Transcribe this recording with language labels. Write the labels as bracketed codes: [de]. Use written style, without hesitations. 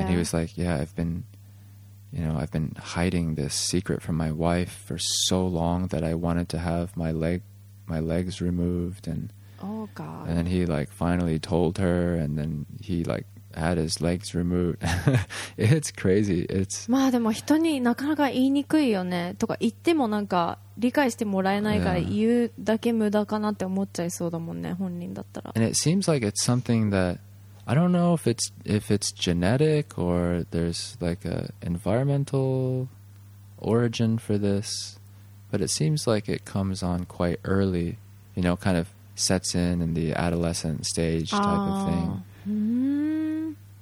[en] And he was like, yeah, I've been hiding this secret from my wife for so long that I wanted to have my legs removed. And oh, God. And then he like finally told her and then he like, had his legs removed. It's crazy. It's [ja] まあでも人になかなか言いにくいよねとか言ってもなんか理解してもらえないから言うだけ無駄かなって思っちゃいそうだもんね本人だったら [en] And it seems like it's something that I don't know if it's genetic or there's like a environmental origin for this, but it seems like it comes on quite early, you know, kind of sets in the adolescent stage type of thing.